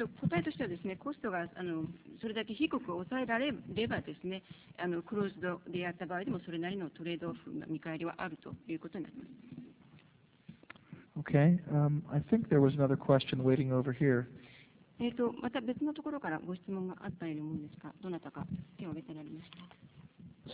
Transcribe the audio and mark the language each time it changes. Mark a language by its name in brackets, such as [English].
[Japanese] 答えとしてはですね、コストがそれだけ低く抑えられればですね、クローズドでやった場合でもそれなりのトレードオフの見返りはあるということになります。 [English] Okay. I think there was another question waiting over here. [Japanese] また別のところからご質問があったように思うんですが、どなたか手を挙げてられますか。